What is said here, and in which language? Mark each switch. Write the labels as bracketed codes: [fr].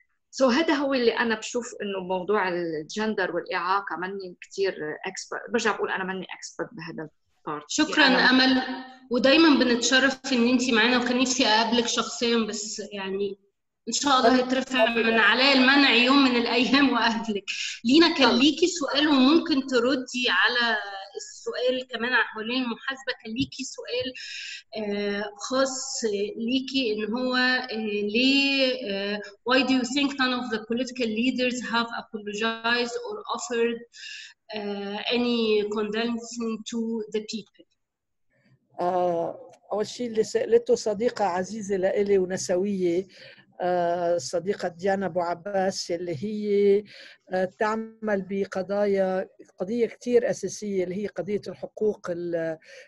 [ar] سو هذا هو اللي انا بشوف انه موضوع الجندر والاعاقه ماني كثير اكسبرت، برجع بقول انا ماني اكسبرت بهذا البارت. شكرا امل، ودايما بنتشرف ان انت معنا، وكان نفسي اقابلك شخصيا، بس يعني ان شاء الله يترفع من عليا المنع يوم من الايام واهلك. لينا كان ليكي سؤال وممكن تردي على سؤال كمان حوالين المحاسبة، كان ليكي سؤال خاص ليكي إن هو ليه [en] why do you think none of the political leaders have apologized or offered any condolences to the people؟ [ar] أول شيء اللي سألته صديقة عزيزة لإلي ونسوية، صديقة ديانا أبو عباس اللي هي تعمل بقضايا قضية كتير أساسية اللي هي قضية الحقوق الـ